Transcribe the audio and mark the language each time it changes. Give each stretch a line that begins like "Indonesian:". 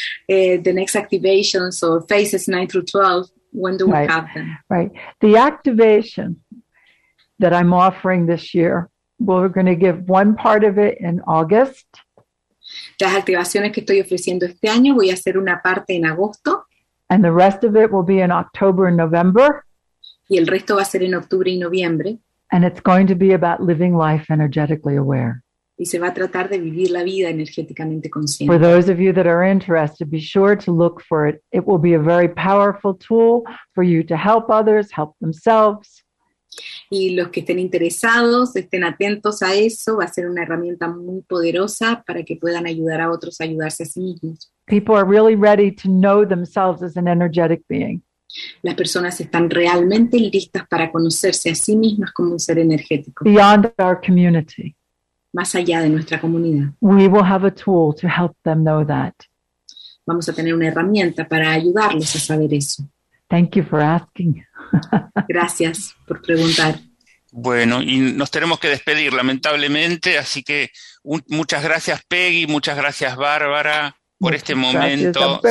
English: The next activations or phases 9 through 12, when do we right. have them? Right. The activation that I'm offering this year, we're going to give one part of it in August.
Spanish: Las activaciones que estoy ofreciendo este año voy a hacer una parte en agosto.
English: And the rest of it will be in October and November.
Spanish: Y el resto va a ser en octubre y noviembre.
English: And it's going to be about living life energetically aware.
Spanish: Y se va a tratar de vivir la vida energéticamente consciente.
English: For those of you that are interested, be sure to look for it. It will be a very powerful tool for you to help others, help themselves.
Spanish: Y los que estén interesados, estén atentos a eso, va a ser una herramienta muy poderosa para que puedan ayudar a otros a ayudarse a sí mismos.
English: People are really ready to know themselves as an energetic being.
Spanish: Las personas están realmente listas para conocerse a sí mismas como un ser energético.
English: Beyond our community.
Spanish: Más allá de nuestra comunidad.
English: We will have a tool to help them know that.
Spanish: Vamos a tener una herramienta para ayudarlos a saber eso.
English: Thank you for asking.
Spanish: Gracias por preguntar. Bueno, y nos tenemos que despedir, lamentablemente, así que muchas gracias, Peggy, muchas gracias, Bárbara, por este momento.